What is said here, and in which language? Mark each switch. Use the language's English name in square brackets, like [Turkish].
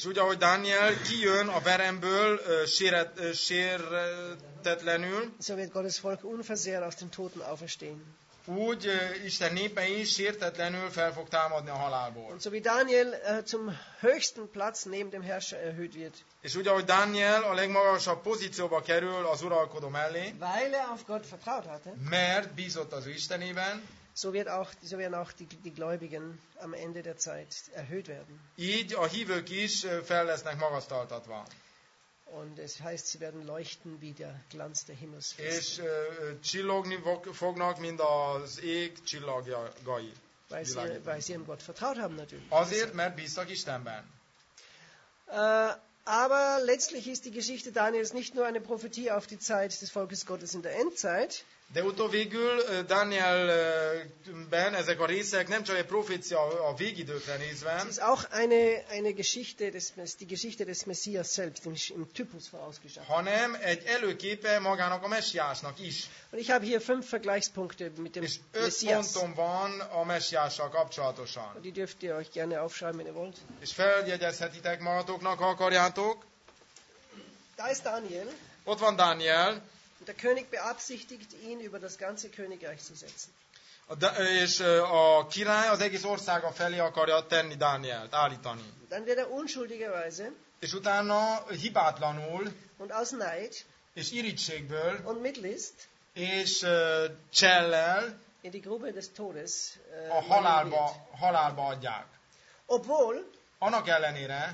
[Hungarian] És úgy, ahogy Daniel kijön a veremből sérhetetlenül. [German] So wird Gottes Volk unversehrt aus den Toten auferstehen. [Hungarian] Úgy Isten népe is sértetlenül fel fog támadni a halálból. [German] Und so wie Daniel zum höchsten Platz neben dem Herrscher erhöht wird. [Hungarian] És úgy, ahogy Daniel a legmagasabb pozícióba kerül az uralkodó mellé. [German] Weil er auf Gott vertraut hatte. [Hungarian] Mert bízott az Istenében. [German] So werden auch die Gläubigen am Ende der Zeit erhöht werden. [Hungarian] Így a hívők is fel lesznek magasztaltatva. [German] Und es heißt, sie werden leuchten wie der Glanz der Himmelsfeste. [Hungarian] És csillogni fognak, mint az ég csillagjai. [German] weil sie ihrem Gott vertraut haben natürlich. [Hungarian] Azért, mert bíztak Istenben. [German] Aber letztlich ist die Geschichte Daniels nicht nur eine Prophetie auf die Zeit des Volkes Gottes in der Endzeit. [Hungarian] De utóvégül Dánielben ezek a részek nem csak egy profécia a végidőkre nézve. [German] Es ist auch eine Geschichte des die Geschichte des Messias selbst im Typus vorausgeschaut. [Hungarian] Hanem egy előképe magának a Messiásnak is. [German] Und ich habe hier fünf Vergleichspunkte mit dem Messias. [Hungarian] És öt ponton van a Messiással kapcsolatosan. [German] Die dürft ihr euch gerne aufschreiben, wenn ihr wollt. [Hungarian] És feljegyezhetitek magatoknak, ha akarjátok. [German] Da ist Daniel. [Hungarian] Ott van Dániel. [German] Und der König beabsichtigt, ihn über das ganze Königreich zu setzen. [Hungarian] És a király az egész országa felé akarja tenni Dánielt, állítani. [German] Dann wird er unschuldigerweise. [Hungarian] És utána hibátlanul. [German] Und aus Neid. [Hungarian] És irigységből. [German] Und mit List. [Hungarian] És csellel. [German] In die Grube des Todes. [Hungarian] A halálba adják. [German] Obwohl. [Hungarian] Annak ellenére.